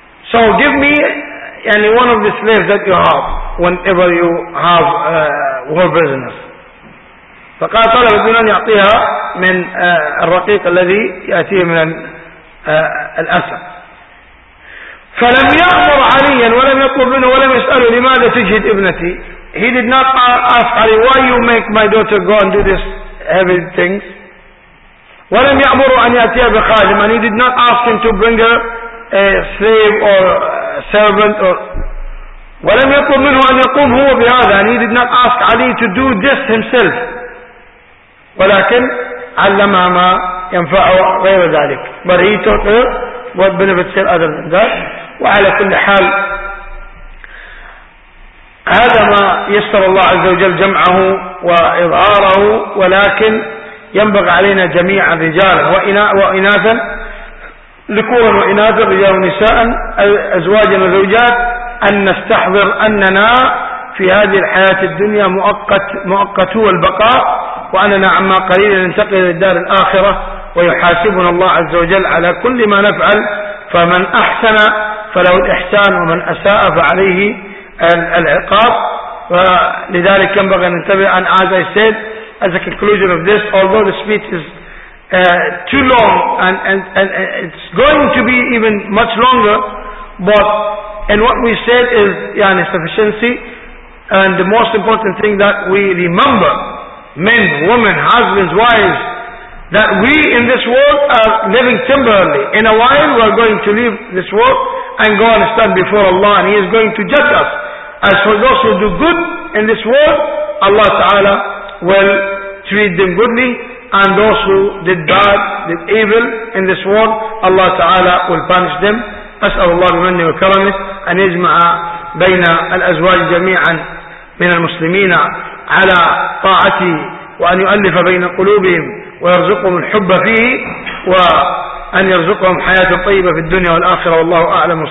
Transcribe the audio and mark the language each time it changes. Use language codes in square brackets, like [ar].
[en] So give me any one of the slaves that you have whenever you have war business. [ar] فقال طلب ابن أن يعطيها من الرقيق الذي يأتيه من الأسد. فلم يأمر عليا ولم يطلب منه ولم يسأله لماذا تجهد ابنتي. [en] He did not ask Ali why you make my daughter go and do this heavy things. [ar] ولم يأمر أن يأتيها بخادم. [en] And he did not ask him to bring her a slave or a servant or. [ar] ولم يطلب منه أن يقوم هو بهذا. [en] And he did not ask Ali to do this himself. [ar] ولكن علمها ما ينفع غير ذلك. [en] But he taught her what benefits her other than that. [ar] وعلى كل حال هذا ما يسر الله عز وجل جمعه وإظهاره. ولكن ينبغي علينا جميعا رجالا وإناثا ذكورا وإناثا رجالا ونساء أزواجا وزوجات أن نستحضر أننا في هذه الحياة الدنيا مؤقت هو البقاء وأننا عما قليل ننتقل للدار الآخرة ويحاسبنا الله عز وجل على كل ما نفعل. فمن أحسن فله الإحسان ومن أساء فعليه العقاب. ولذلك ينبغي أن ننتبه. [en] And as I said, as a conclusion of this, although the speech is too long and it's going to be even much longer, but in what we said is يعني sufficiency. And the most important thing that we remember, men, women, husbands, wives, that we in this world are living temporarily. In a while we are going to leave this world and go and stand before Allah, and He is going to judge us. As for those who do good in this world, Allah Ta'ala will treat them goodly, and those who did bad, did evil in this world, Allah Ta'ala will punish them. [ar] أسأل الله بمنه وكرمه أن يجمع بين الأزواج جميعا من المسلمين على طاعته وأن يؤلف بين قلوبهم ويرزقهم الحب فيه وأن يرزقهم حياة طيبة في الدنيا والآخرة. والله أعلم.